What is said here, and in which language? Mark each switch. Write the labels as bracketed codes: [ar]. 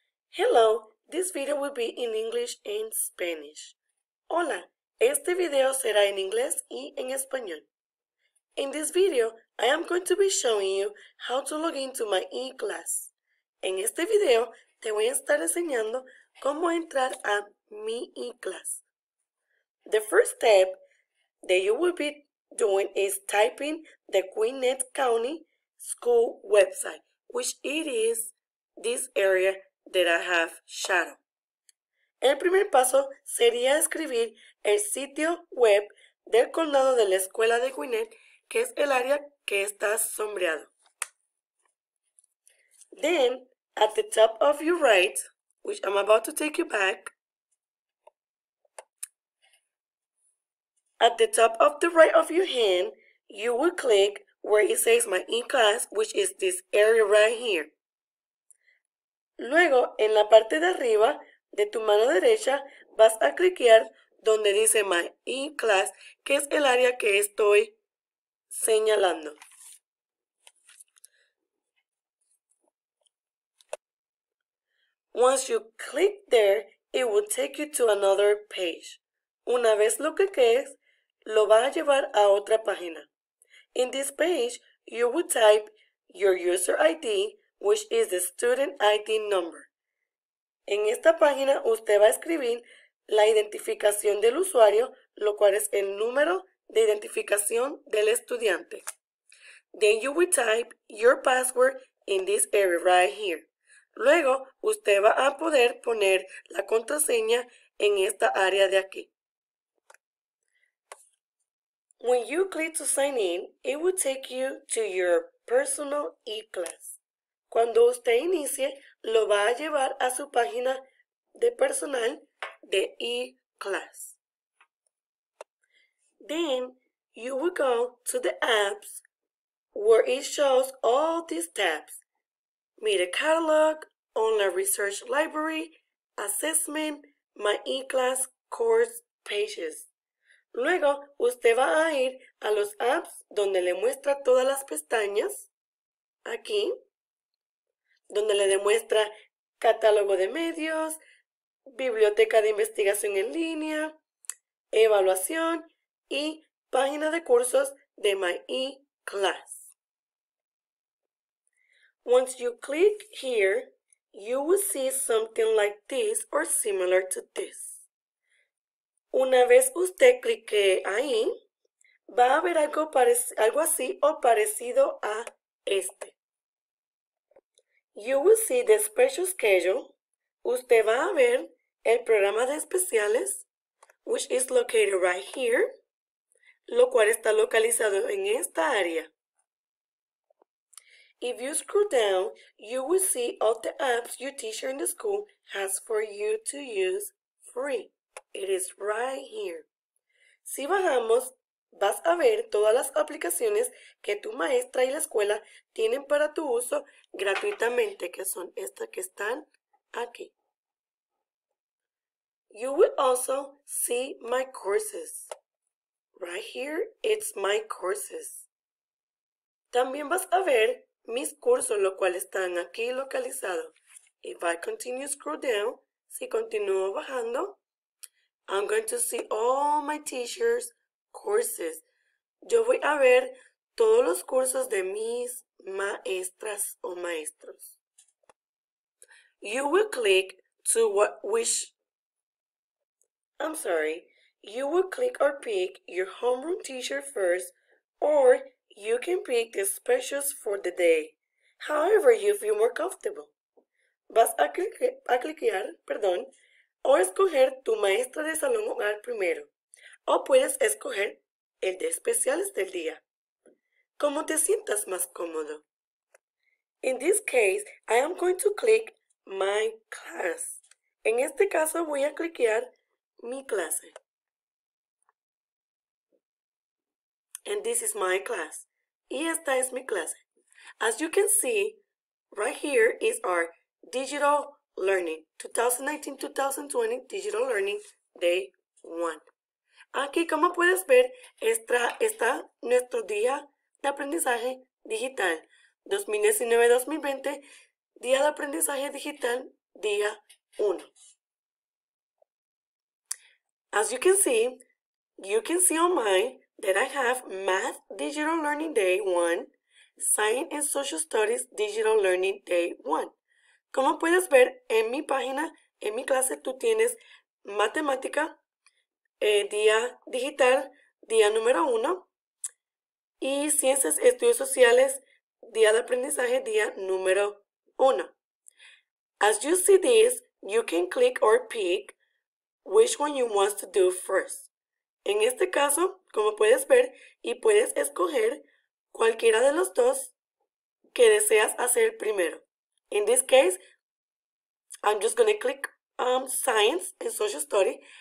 [en] Hello, this video will be in English and Spanish. [es] Hola, este video será en inglés y en español. [en] In this video, I am going to be showing you how to log into my eCLASS. [es] En este video, te voy a estar enseñando cómo entrar a mi eCLASS. [en] The first step that you will be doing is typing the Gwinnett County School website, which it is this area that I have shadow. [es] El primer paso sería escribir el sitio web del condado de la escuela de Gwinnett, que es el área que está sombreado. [en] Then, at the top of your right, which I'm about to take you back, at the top of the right of your hand, you will click where it says my eCLASS, which is this area right here. [es] Luego, en la parte de arriba de tu mano derecha, vas a cliquear donde dice My eCLASS, que es el área que estoy señalando. [en] Once you click there, it will take you to another page. [es] Una vez lo cliques, lo va a llevar a otra página. [en] In this page, you will type your user ID, which is the student ID number. [es] En esta página, usted va a escribir la identificación del usuario, lo cual es el número de identificación del estudiante. [en] Then you will type your password in this area right here. [es] Luego, usted va a poder poner la contraseña en esta área de aquí. [en] When you click to sign in, it will take you to your personal eCLASS. [es] Cuando usted inicie, lo va a llevar a su página de personal de eCLASS. [en] Then, you will go to the apps where it shows all these tabs. Media catalog, online research library, assessment, my eCLASS course pages. [es] Luego, usted va a ir a los apps donde le muestra todas las pestañas. Aquí. Donde le demuestra catálogo de medios, biblioteca de investigación en línea, evaluación y página de cursos de My eCLASS. [en] Once you click here, you will see something like this or similar to this. [es] Una vez usted clique ahí, va a ver algo así o parecido a este. [en] You will see the special schedule. [es] Usted va a ver el programa de especiales, [en] which is located right here, [es] lo cual está localizado en esta área. [en] If you scroll down, you will see all the apps your teacher in the school has for you to use free. It is right here. [es] Si bajamos, vas a ver todas las aplicaciones que tu maestra y la escuela tienen para tu uso gratuitamente, que son estas que están aquí. [en] You will also see my courses. Right here, it's my courses. [es] También vas a ver mis cursos, lo cual están aquí localizados. [en] If I continue scroll down, [es] si continúo bajando, [en] I'm going to see all my teachers. Courses. [es] Yo voy a ver todos los cursos de mis maestras o maestros. [en] You will click to what which. I'm sorry. You will click or pick your homeroom teacher first, or you can pick the specials for the day. However you feel more comfortable. [es] Vas a cliquear, perdón, o escoger tu maestra de salón hogar primero. O puedes escoger el de especiales del día. Como te sientas más cómodo. [en] In this case, I am going to click my class. [es] En este caso, voy a cliquear mi clase. [en] And this is my class. [es] Y esta es mi clase. [en] As you can see, right here is our digital learning. 2019-2020 digital learning day 1. [es] Aquí, como puedes ver, está nuestro día de aprendizaje digital, 2019-2020, Día de Aprendizaje Digital, Día 1. [en] As you can see online that I have Math Digital Learning Day 1, Science and Social Studies Digital Learning Day 1. [es] Como puedes ver en mi página, en mi clase, tú tienes Matemática, Día Digital, Día número 1, y Ciencias y Estudios Sociales, Día de Aprendizaje, Día número 1. [en] As you see this, you can click or pick which one you want to do first. [es] En este caso, como puedes ver, y puedes escoger cualquiera de los dos que deseas hacer primero. [en] In this case, I'm just going to click Science and Social Study.